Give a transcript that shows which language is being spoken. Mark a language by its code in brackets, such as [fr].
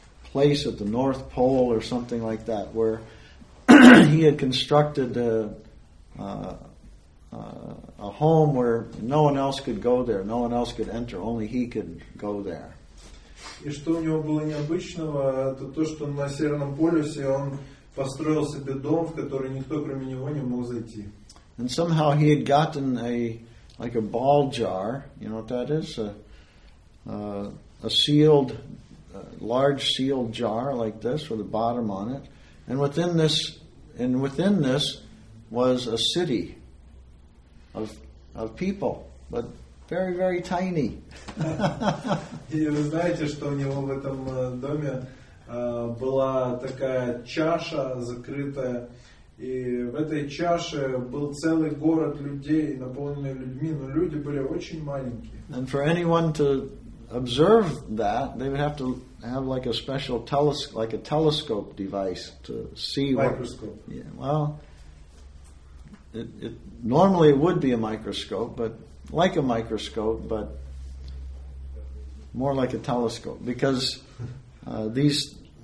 [en] place at the North Pole or something like that where he had constructed a home where no one else could go there, no one else could enter, only he could go there. [ru] И что у него было необычного, это то, что на Северном полюсе он построил себе дом, в который никто кроме него не мог зайти. [en] And somehow he had gotten a ball jar, you know what that is? A sealed, large sealed jar like this with a bottom on it. And within this was a city. Of people, but very, very tiny. [ru] И вы знаете, что у него в этом доме была такая чаша закрытая, и в этой чаше был целый город людей, наполненный людьми, но люди были очень маленькие. [en] And for anyone to observe that, they would have to have like a special telescope, like a telescope device to see. Microscope. It normally would be a microscope, but like a microscope, but more like a telescope, because these